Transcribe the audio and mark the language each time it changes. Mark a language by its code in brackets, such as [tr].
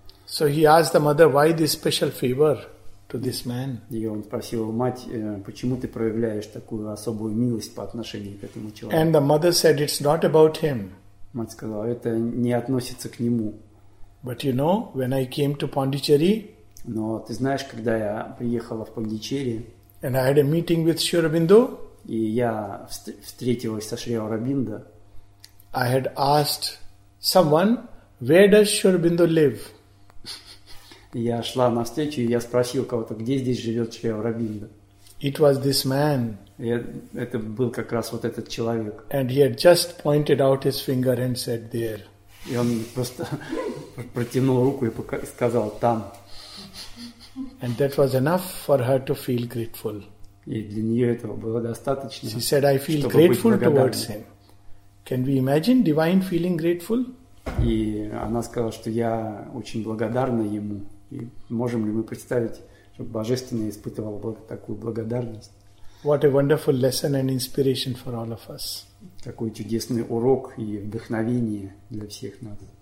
[en] So he asked the mother, why this special favor to this man? [ru] И он спросил мать, почему ты проявляешь такую особую милость по отношению к этому человеку? [en] And the mother said, it's not about him. [ru] Мать сказала, это не относится к нему. [en] But you know, when I came to Pondicherry, [ru] но ты знаешь, когда я приехала в Пондичерри, [en] and I had a meeting with Sri Aurobindo, [ru] и я встретилась со Шри Аурабиндо. [en] I had asked someone, where does Sri Aurobindo live? [ru] Я шла на встречу, и я спросил кого-то, где здесь живет Шри Аурабиндо. [en] It was this man. [ru] Это был как раз вот этот человек. [en] And he had just pointed out his finger and said, there. [ru] И он просто протянул руку и сказал, там. [en] And that was enough for her to feel grateful. [ru] И для нее этого было достаточно. [en] She said, I feel grateful towards him. Can we imagine divine feeling grateful? [ru] И она сказала, что я очень благодарна ему. И можем ли мы представить, чтобы Божественное испытывало такую благодарность? [en] What a wonderful lesson and inspiration for all of us. [ru] Какой чудесный урок и вдохновение для всех нас.